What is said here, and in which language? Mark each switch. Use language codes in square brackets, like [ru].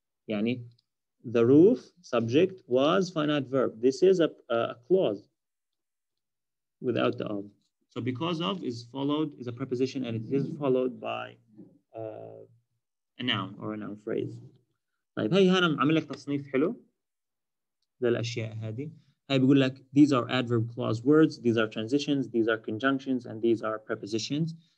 [en] يعني the roof subject was finite verb. This is a clause without the of. So because of is followed, is a preposition and it is followed by a noun or a noun phrase. [ar] طيب هاي هنا عمل لك تصنيف حلو للأشياء هذه. هاي بيقول لك [en] these are adverb clause words, these are transitions, these are conjunctions and these are prepositions.